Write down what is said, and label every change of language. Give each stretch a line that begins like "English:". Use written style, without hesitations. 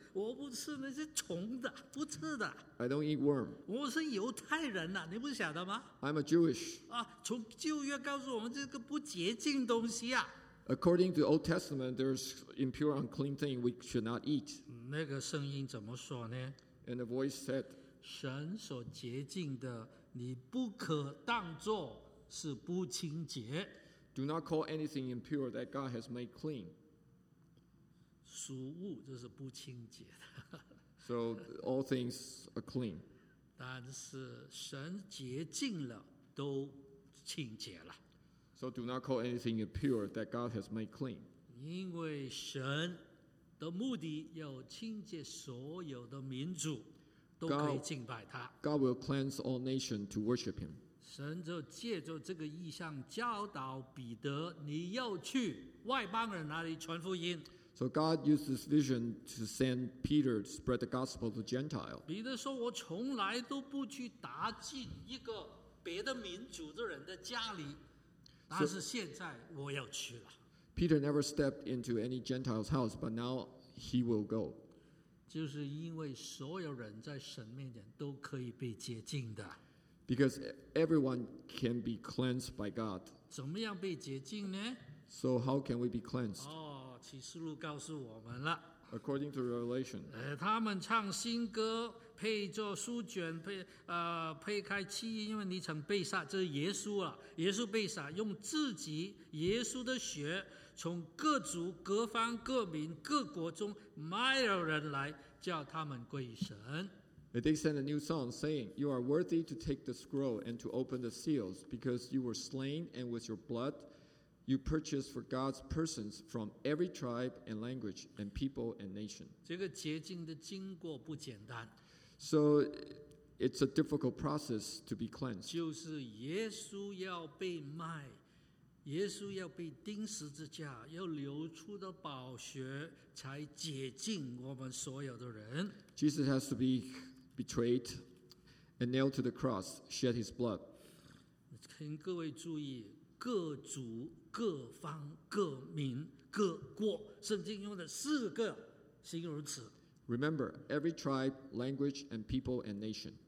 Chinese: 我不吃那些虫的，不吃的。
English: I don't eat worm.
Chinese: 我是犹太人呐，你不晓得吗
English: ？I'm a Jewish.
Chinese: 啊，从旧约告诉我们这个不洁净东西啊。
English: According to Old Testament, there's impure, unclean thing we should not eat.
Chinese: 那个声音怎么说呢
English: ？And the voice said,
Chinese: 神所洁净的，你不可当作是不清洁。
English: Do not call anything impure that God has made clean.
Chinese: 属物就是不清洁的。
English: So all things are clean.
Chinese: 但是神洁净了都清洁了。
English: So do not call anything impure that God has made clean.
Chinese: 因为神的目的要清洁所有的民族都可以敬拜他。
English: God will cleanse all nations to worship him.
Chinese: 神就借着这个意象教导彼得，你要去外邦人那里传福音。
English: So God used this vision to send Peter to spread the gospel to Gentile.
Chinese: 彼得说：“我从来都不去打进一个别的民族的人的家里，但是现在我要去了。”
English: Peter never stepped into any Gentile's house, but now he will go.
Chinese: 就是因为所有人在神面前都可以被洁净的。
English: Because everyone can be cleansed by God.
Chinese: 怎么样被洁净呢
English: ？So how can we be cleansed?
Chinese: 启示录告诉我们了。
English: According to Revelation,
Chinese: 他们唱新歌，配着书卷，配开七音，因为你曾被杀，这是耶稣啊，耶稣被杀，用自己耶稣的血，从各族、各方、各民、各国中买了人来，叫他们归神。
English: They sent a new song, saying, "You are worthy to take the scroll and to open the seals, because you were slain, and with your blood." You purchase for God's persons from every tribe and language and people and nation.
Chinese: 这个洁净的经过不简单。
English: So it's a difficult process to be cleansed.
Chinese: 就是耶稣要被卖，耶稣要被钉十字架，要流出的宝血才洁净我们所有的人。
English: Jesus has to be betrayed and nailed to the cross, shed his blood.
Chinese: 请各位注意，各族、各方、各民、各国，圣经用的四个形容词。
English: Remember, every tribe, language, and people and nation.